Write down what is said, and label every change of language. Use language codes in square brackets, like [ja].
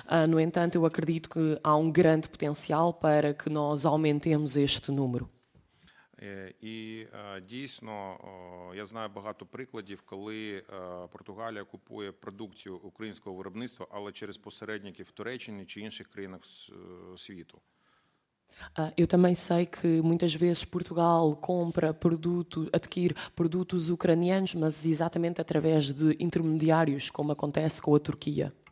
[pt] No entanto, eu acredito que há um grande potencial para que nós aumentemos este número. [uk] І дійсно, я знаю багато прикладів, коли Португалія купує продукцію українського виробництва, але через посередників в Туреччині чи інших країнах світу. [pt] Eu também sei que muitas vezes Portugal compra produtos, adquire produtos ucranianos, mas exatamente através de intermediários, como acontece com a Turquia.